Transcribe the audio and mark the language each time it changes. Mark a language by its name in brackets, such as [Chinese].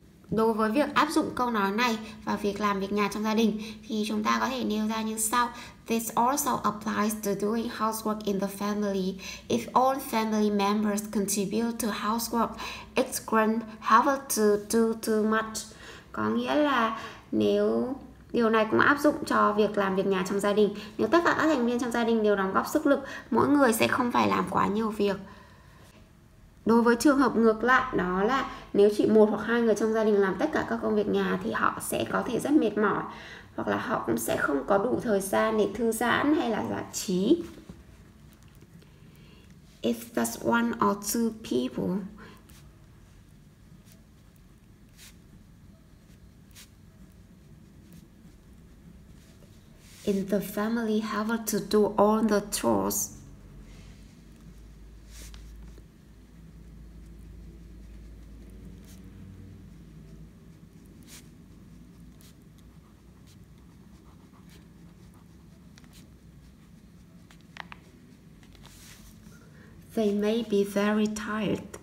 [Vietnamese] Đối với việc áp dụng câu nói này vào việc làm việc nhà trong gia đình thì chúng ta có thể nêu ra như sau. [English] This also applies to doing housework in the family. If all family members contribute to housework, it won't have to do too much. [Vietnamese] Có nghĩa là nếu điều này cũng áp dụng cho việc làm việc nhà trong gia đình. Nếu tất cả các thành viên trong gia đình đều đóng góp sức lực, mỗi người sẽ không phải làm quá nhiều việc. Đối với trường hợp ngược lại, đó là nếu chỉ một hoặc hai người trong gia đình làm tất cả các công việc nhà thì họ sẽ có thể rất mệt mỏi, hoặc là họ cũng sẽ không có đủ thời gian để thư giãn hay là giải trí. [English] If just one or two people in the family have to do all the chores, they may be very tired.